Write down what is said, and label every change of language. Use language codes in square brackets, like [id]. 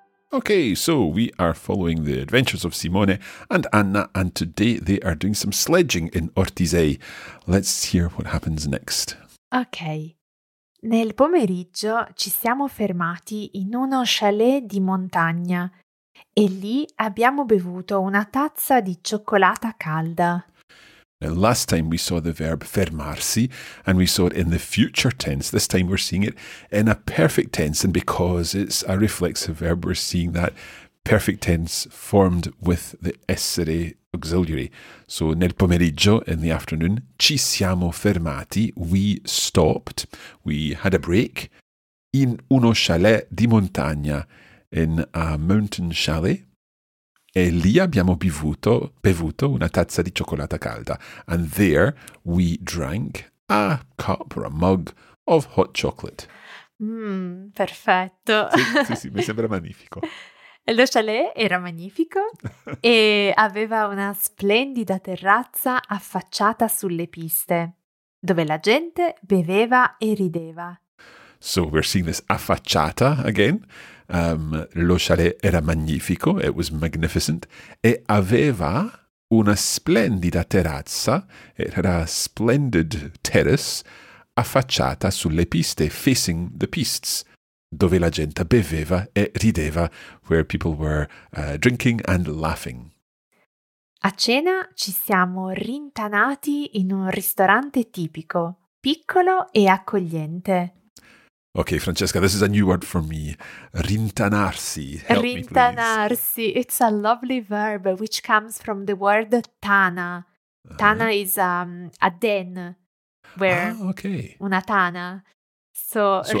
[en] Okay, so we are following the adventures of Simone and Anna, and today they are doing some sledging in Ortisei. Let's hear what happens next. Okay. [it] Nel pomeriggio ci siamo fermati in uno chalet di montagna e lì abbiamo bevuto una tazza di cioccolata calda. [en] Now, last time we saw the verb fermarsi, and we saw it in the future tense. This time we're seeing it in a perfect tense, and because it's a reflexive verb, we're seeing that perfect tense formed with the essere auxiliary. So [it] nel pomeriggio, [en] in the afternoon, [it] ci siamo fermati, [en] we stopped, we had a break, [it] in uno chalet di montagna, [en] in a mountain chalet. [it] E lì abbiamo bevuto una tazza di cioccolata calda. [en] And there we drank a cup or a mug of hot chocolate. [it] Perfetto. Sì, mi sembra magnifico. Lo chalet era magnifico e aveva una splendida terrazza affacciata sulle piste, dove la gente beveva e rideva. [en] So we're seeing this affacciata again. [it] Lo chalet era magnifico, [en] it was magnificent, [it] e aveva una splendida terrazza, era splendid terrace, affacciata sulle piste, [en] facing the pistes, [it] dove la gente beveva e rideva, [en] where people were drinking and laughing. [it] A cena ci siamo rintanati in un ristorante tipico, piccolo e accogliente. [en] Ok, Francesca, this is a new word for me. [it] Rintanarsi. Help rintanarsi. [en] Me, it's a lovely verb which comes from the word tana. Tana is a den. Where? Ah, okay. [it] Una tana. So,